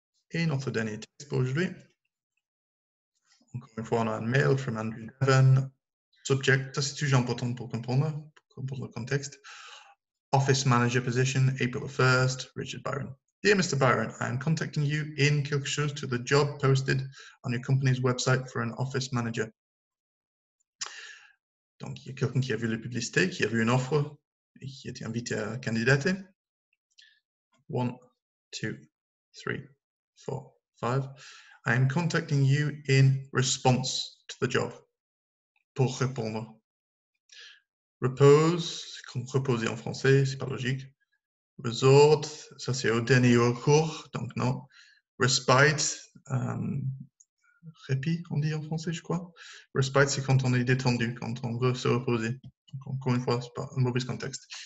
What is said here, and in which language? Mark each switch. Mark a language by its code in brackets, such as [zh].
[fr] Et notre dernier test pour aujourd'hui. Encore une fois, on a un mail from Andrew Devon. Subject, ça c'est toujours important pour comprendre le contexte. [en] Office manager position, April 1st, Richard Byron. Dear Mr. Byron, I am contacting you in [fr] quelque chose [en] to the job posted on your company's website for an office manager. [fr] Donc, il y a quelqu'un qui a vu la publicité, qui a vu une offre et qui a été invité à candidater. 1, 2, 3, 4, 5. [en] I am contacting you in response to the job. [fr] Pour répondre. Repose, comme reposer en français, c'est pas logique. Resort, ça c'est au dernier recours, donc non. Respite, répit, on dit en français, je crois. Respite, c'est quand on est détendu, quand on veut se reposer. Donc, encore une fois, c'est pas un mauvais contexte.